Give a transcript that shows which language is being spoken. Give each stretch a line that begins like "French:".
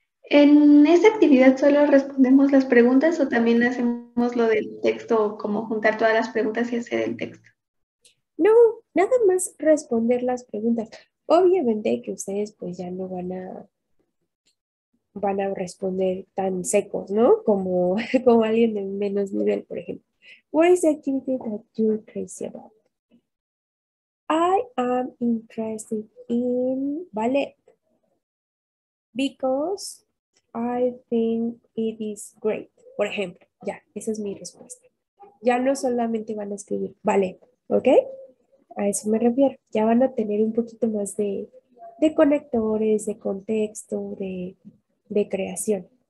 Spanish: ¿En esta actividad solo respondemos las preguntas o también hacemos lo del texto, como juntar todas las preguntas y hacer el texto? No, nada más responder las preguntas. Obviamente que ustedes pues ya no van a responder tan secos, ¿no? Como alguien de menos nivel, por ejemplo.
English: What is the activity that you're crazy about? I am interested in ballet because I think it is great.
Spanish: Por ejemplo, ya, esa es mi respuesta. Ya no solamente van a escribir ballet, ¿ok? A eso me refiero. Ya van a tener un poquito más de conectores, de contexto, de creación.